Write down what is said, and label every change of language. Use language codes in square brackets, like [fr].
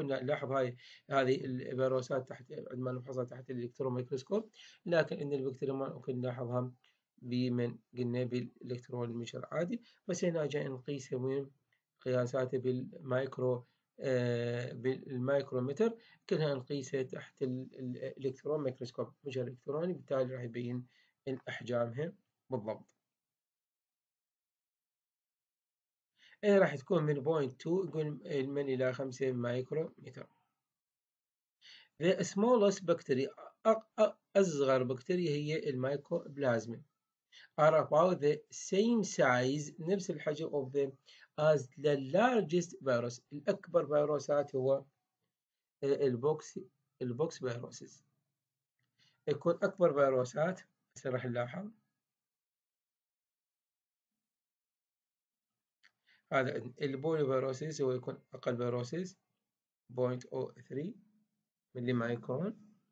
[ar] نلاحظ هاي هذه الفيروسات تحت عندما نفحصها تحت الالكترون مايكروسكوب، لكن ان البكتيريا ما ممكن نلاحظها بمن قلنا بالالكترون المجهر عادي، بس هنا جاي نقيسها من قياساتها بالمايكرو بالمايكرومتر كلها نقيسها تحت الالكترون مايكروسكوب مجهر الكتروني، بالتالي راح يبين احجامها بالضبط. إيه راح تكون من 0.2 يقول من إلى 5 مايكرومتر. [en] The smallest bacteria [ar] أصغر بكتيريا هي المايكوبلازما. [en] Are about the same size [ar] نفس الحجم [en] of them as the largest virus. [ar] الأكبر فيروسات هو البوكس فيروسز. يكون أكبر فيروسات هسه راح نلاحظ. هذا البولي فيروسيس هو يكون أقل فيروسيس 0.03 ملي مايكرون.